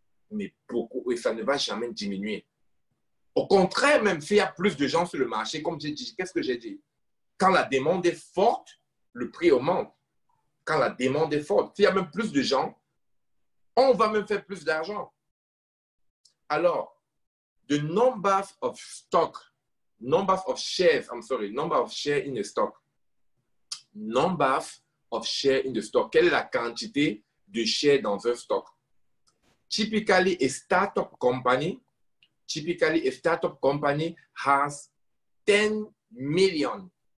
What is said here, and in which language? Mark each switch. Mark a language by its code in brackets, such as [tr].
[fr] Mais beaucoup, et ça ne va jamais diminuer. Au contraire, même s'il y a plus de gens sur le marché, comme j'ai dit, qu'est-ce que j'ai dit? Quand la demande est forte, le prix augmente. Quand la demande est forte, s'il y a même plus de gens, on va même faire plus d'argent. [en] Alors, the number of stock, number of shares, I'm sorry, number of shares in the stock. Number of shares in the stock. [fr] Quelle est la quantité de shares dans un stock? [en] Typically, a startup company, typically, a startup company has 10 million.